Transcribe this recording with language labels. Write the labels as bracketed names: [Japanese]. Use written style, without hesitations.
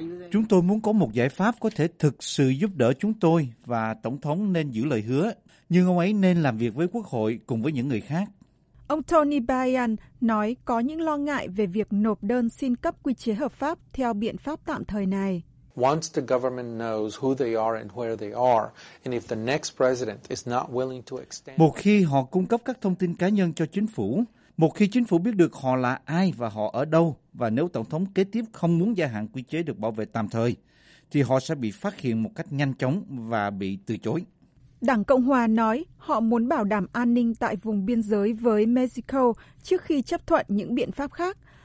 [Vietnamese] Chúng tôi muốn có một giải pháp có thể thực sự giúp đỡ chúng tôi và Tổng thống nên giữ lời hứa, nhưng ông ấy nên làm việc với Quốc hội cùng với những người khác. Ông Tony Bayan nói có những lo ngại về việc nộp đơn xin cấp quy chế hợp pháp theo biện pháp tạm thời này. [English] Once the government knows who they are and where they are, and if the next president is not willing to extend. [Vietnamese] Một khi họ cung cấp các thông tin cá nhân cho chính phủ, một khi chính phủ biết được họ là ai và họ ở đâu, và nếu tổng thống kế tiếp không muốn gia hạn quy chế được bảo vệ tạm thời, thì họ sẽ bị phát hiện một cách nhanh chóng và bị từ chối. Đảng Cộng Hòa nói họ muốn bảo đảm an ninh tại vùng biên giới với Mexico trước khi chấp thuận những biện pháp khác.